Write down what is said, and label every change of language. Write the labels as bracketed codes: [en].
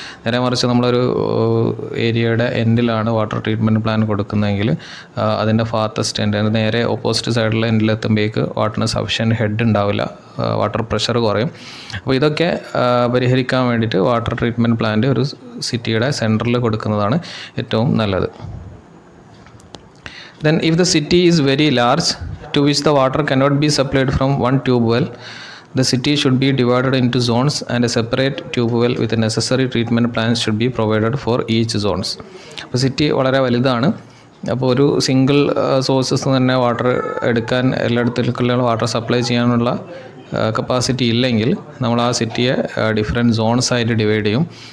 [ml] നേരെ മറിച്ച് നമ്മളൊരു ഏരിയയുടെ എൻഡിലാണ് വാട്ടർ ട്രീറ്റ്മെൻറ്റ് പ്ലാൻ കൊടുക്കുന്നതെങ്കിൽ അതിൻ്റെ ഫാർത്തസ്റ്റ് എൻഡ് നേരെ ഓപ്പോസിറ്റ് സൈഡിലെ എൻഡിലെത്തുമ്പോഴേക്ക് വാട്ടറിന് സഫിഷ്യൻറ്റ് ഹെഡ് ഉണ്ടാവില്ല, വാട്ടർ പ്രഷർ കുറയും. അപ്പോൾ ഇതൊക്കെ പരിഹരിക്കാൻ വേണ്ടിയിട്ട് വാട്ടർ ട്രീറ്റ്മെൻറ്റ് പ്ലാന്റ് ഒരു സിറ്റിയുടെ സെൻട്രലിൽ കൊടുക്കുന്നതാണ് ഏറ്റവും നല്ലത്. [en] Then if the city is very large to which the water cannot be supplied from one tube well, the city should be divided into zones and a separate tube well with the necessary treatment plans should be provided for each zones. [ml] അപ്പോൾ city വളരെ വലുതാണ്. അപ്പോൾ ഒരു single sources തന്നെ water എടുക്കാൻ എല്ലായിടത്തേക്കുള്ള water supply ചെയ്യാനുള്ള capacity ഇല്ലെങ്കിൽ നമ്മൾ ആ സിറ്റിയെ ഡിഫറെൻറ്റ് സോൺസായിട്ട് ഡിവൈഡ് ചെയ്യും.